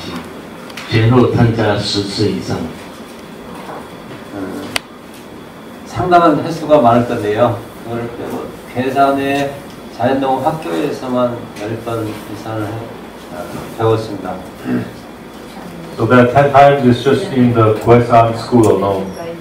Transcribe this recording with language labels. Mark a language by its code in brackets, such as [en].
[zh] 我参加自然农业从基本讲习到专门讲习前后参加10次以上 [ko] 상당한 횟수가 많을 건데요. 그걸 빼고 계산에 자연농업 학교에서만 10번 이상을 배웠습니다. [en] So that 10 times is just in the Gwaesang school alone.